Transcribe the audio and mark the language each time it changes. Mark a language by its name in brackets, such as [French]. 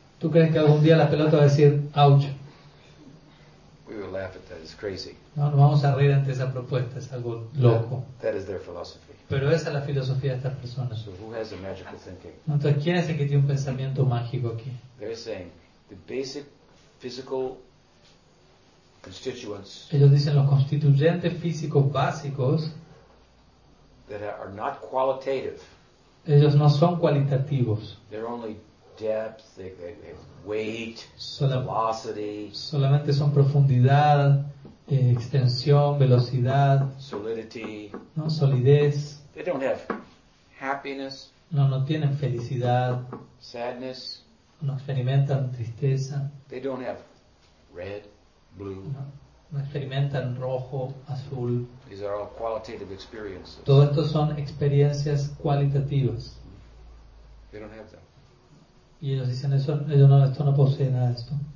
[Spanish] ¿Tú crees que algún día la pelota va a decir, ouch? [English] We will laugh at that. It's crazy. [Spanish] No, nos vamos a reír ante esa propuesta, es algo loco. [English] That is their philosophy. [Spanish] Pero esa es la filosofía de estas personas. [English] So who has a magical thinking? [Spanish] Entonces, ¿quién es el que tiene un pensamiento mágico aquí? [English] They're saying the basic physical constituents, [Spanish] ellos dicen los constituyentes físicos básicos, [English] that are not qualitative. [Spanish] Ellos no son cualitativos. [English] They're only depth, they weight, velocity. [Spanish] Solamente son profundidad, extensión, velocidad, [English] solidity, [Spanish] no, solidez. [English] They don't have happiness. [Spanish] No, no tienen felicidad. [English] Sadness. [Spanish] No experimentan tristeza. [English] They don't have red, blue. [Spanish] No experimentan rojo, azul. [English] These are all qualitative experiences. [Spanish] Todo esto son experiencias cualitativas. [English] They don't have them. [Spanish] Y ellos dicen eso, ellos no, esto no posee nada de esto.